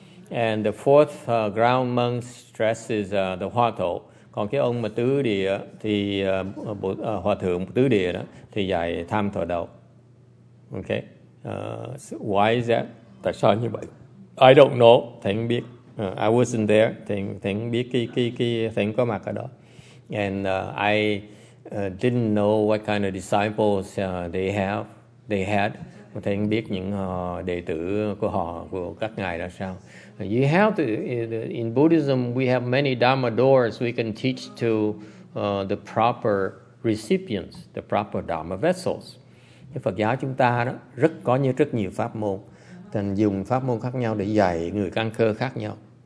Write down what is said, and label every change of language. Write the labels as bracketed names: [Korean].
[English] And the fourth ground monk stresses the hoa thổ. [Vietnamese] Còn cái ông mà tứ địa thì hòa thượng tứ địa đó thì dạy tham thọ đầu. [English] Okay. So why is that? [Vietnamese] Tại sao như vậy? [English] I don't know. [Vietnamese] Thầy không biết. [English] I wasn't there. [Vietnamese] Thầy không biết cái thầy có mặt ở đó. [English] And I didn't know what kind of disciples they had. [Vietnamese] Thầy không biết những đệ tử của họ, của các ngài ra sao. [English] You have to, in Buddhism, we have many Dharma doors we can teach to the proper recipients, the proper Dharma vessels. [Vietnamese] Phật giáo chúng ta đó, rất nhiều pháp môn. Thành dùng pháp môn khác nhau để dạy người căn cơ khác nhau.